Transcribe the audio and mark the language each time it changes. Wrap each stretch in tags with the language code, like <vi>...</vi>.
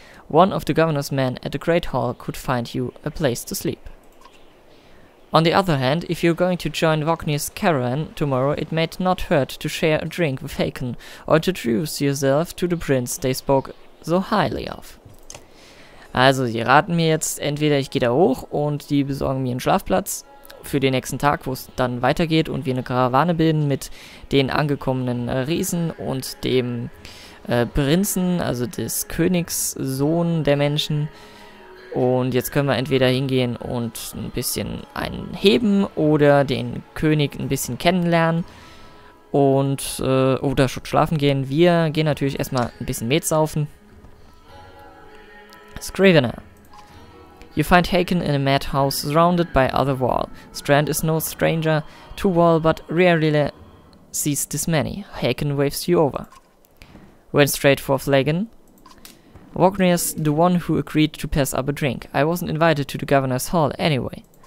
<en>One of the governor's men at the Great Hall could find you a place to sleep. On the other hand, if you're going to join Vognir's caravan tomorrow, it might not hurt to share a drink with Hakon or to introduce yourself to the prince they spoke so highly of.</en> <de>Also, sie raten mir jetzt, entweder ich gehe da hoch und die besorgen mir einen Schlafplatz für den nächsten Tag, wo es dann weitergeht und wir eine Karawane bilden mit den angekommenen Riesen und dem Prinzen, also des Königssohn der Menschen. Und jetzt können wir entweder hingehen und ein bisschen einen heben oder den König ein bisschen kennenlernen und oder schon schlafen gehen. Wir gehen natürlich erstmal ein bisschen Met saufen.</de> <en>Scrivener. You find Hakon in a madhouse surrounded by other wall. Strand is no stranger to wall, but rarely sees this many. Hakon waves you over. Went straight for Flagon. Wagner is the one who agreed to pass up a drink. I wasn't invited to the governor's hall anyway.</en>